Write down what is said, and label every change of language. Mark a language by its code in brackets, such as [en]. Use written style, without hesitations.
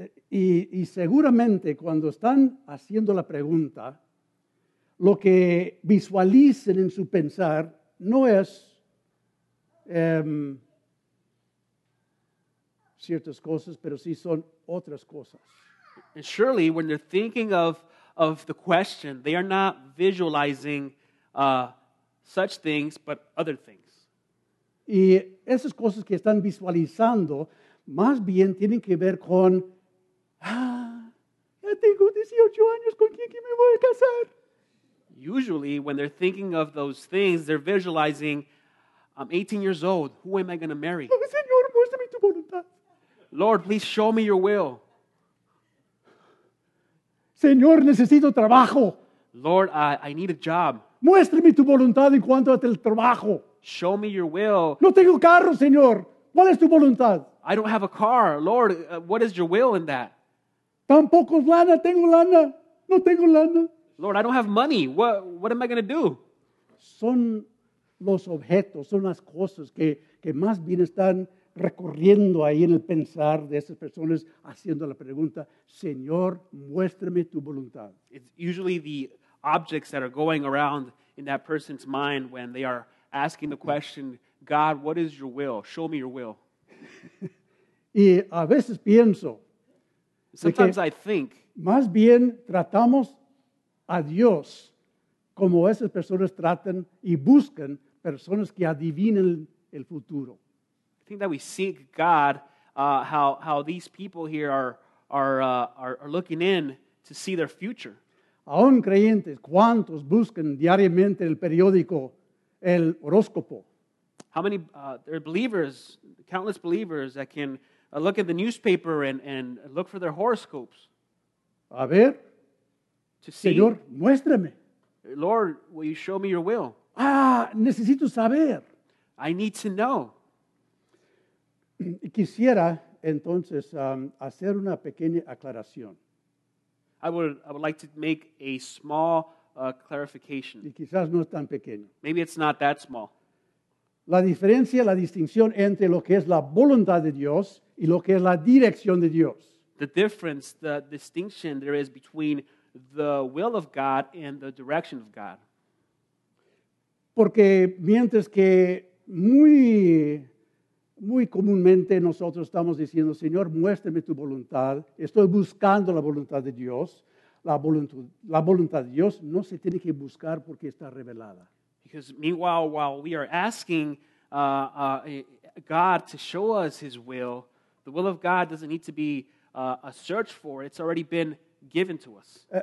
[es] Y seguramente cuando están haciendo la pregunta, lo que visualicen en su pensar no es ciertas cosas, pero sí son otras cosas. [en] And surely when they're thinking of the question, they are not visualizing such things, but other things. [es] Y esas cosas que están visualizando, más bien tienen que ver con, ya tengo 18 años, ¿con quién que me voy a casar? [en] Usually, when they're thinking of those things, they're visualizing, I'm 18 years old, who am I going to marry? [es] Oh, Señor, muéstrame tu voluntad. [en] Lord, please show me your will. [es] Señor, necesito trabajo. [en] Lord, I need a job. [es] Muéstrame tu voluntad en cuanto al trabajo. [en] Show me your will. [es] No tengo carro, Señor. ¿Cuál es tu voluntad? [en] I don't have a car. Lord, what is your will in that? [es] Tampoco lana. Tengo lana. No tengo lana. [en] Lord, I don't have money. What am I going to do? [es] Son los objetos, son las cosas que más bien están recorriendo ahí en el pensar de esas personas haciendo la pregunta, Señor, muéstrame tu voluntad. [en] It's usually the objects that are going around in that person's mind when they are asking the question, God, what is your will? Show me your will. [es] Y a veces pienso. [en] Sometimes I think. [es] Más bien tratamos a Dios como esas personas tratan y buscan personas que adivinen el futuro. [en] I think that we seek God, how these people here are looking in to see their future. [es] Aún creyentes, ¿cuántos buscan diariamente el periódico, el horóscopo? [en] How many there are believers, countless believers that can look at the newspaper and look for their horoscopes? [es] A ver, [en] to see. [es] Señor, muéstrame. [en] Lord, will you show me your will? [es] Ah, necesito saber. [en] I need to know. [es] Quisiera entonces hacer una pequeña aclaración. [en] I would like to make a small clarification. [es] Y quizás no es tan pequeño. [en] Maybe it's not that small. [es] La diferencia, la distinción entre lo que es la voluntad de Dios y lo que es la dirección de Dios. [en] The difference, the distinction there is between the will of God and the direction of God. [es] Porque mientras que muy comúnmente nosotros estamos diciendo, Señor, muéstrame tu voluntad. Estoy buscando la voluntad de Dios. La voluntad de Dios no se tiene que buscar porque está revelada. [en] Because meanwhile, while we are asking God to show us his will, the will of God doesn't need to be a search for. It's already been given to us.